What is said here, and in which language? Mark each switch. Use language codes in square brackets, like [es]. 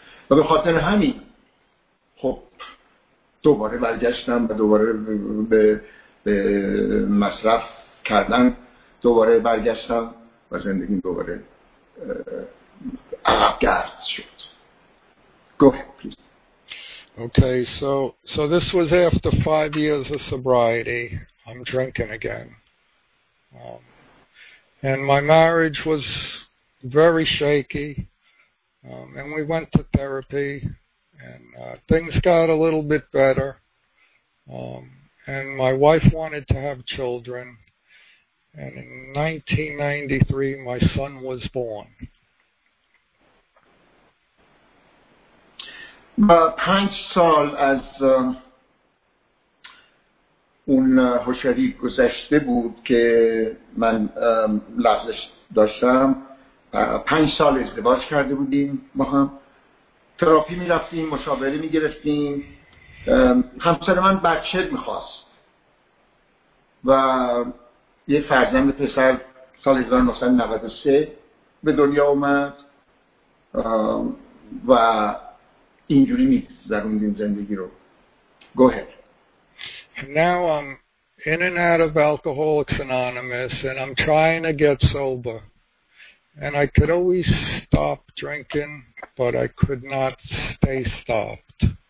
[fa] و به خاطر همین خب دوباره برگشتم و دوباره به مصرف کردن دوباره برگشتم و زندگیم دوباره عقب گرد شد. [en] Go ahead, please. Okay, so this was after 5 years of sobriety. I'm drinking again. And my marriage was very shaky, and we went to therapy, and things got a little bit better, and my wife wanted to have children, and in 1993 my son was born. [fa] پنج سال از اون هوشیاری گذشته بود که من لحظش داشتم. 5 سال ازدواج کرده بودیم با هم، تراپی می رفتیم، مشاوره می گرفتیم. همسر من بچه می خواست و یه فرزند پسر سال 1993 به دنیا اومد و اینجوری می گذروندیم زندگی رو. [en] Go ahead. Now I'm in and out of Alcoholics Anonymous, and I'm trying to get sober. And I could always stop drinking, but I could not stay stopped.